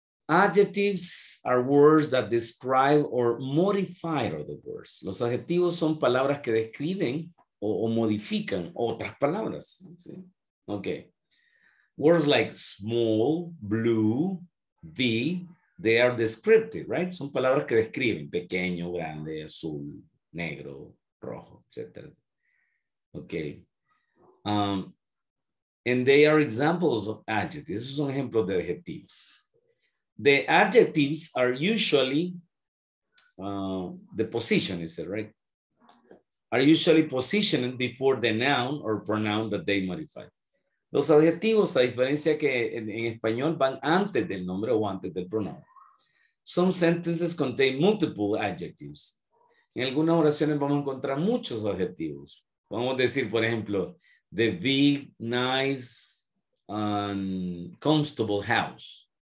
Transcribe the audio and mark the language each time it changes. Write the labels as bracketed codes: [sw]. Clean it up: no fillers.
[en] Adjectives are words that describe or modify other words. [es] Los adjetivos son palabras que describen o modifican otras palabras. ¿Sí? Ok. [en] Words like small, blue, big, they are descriptive, right? [es] Son palabras que describen pequeño, grande, azul, negro, rojo, etc. [en] Ok. And they are examples of adjectives. [es] Esos son ejemplos de adjetivos. [en] The adjectives are usually the position, is it right? Are usually positioned before the noun or pronoun that they modify. [es] Los adjetivos, a diferencia que en español, van antes del nombre o antes del pronoun. [en] Some sentences contain multiple adjectives. [es] En algunas oraciones vamos a encontrar muchos adjetivos. Vamos a decir, por ejemplo, [en] the big, nice, and comfortable house.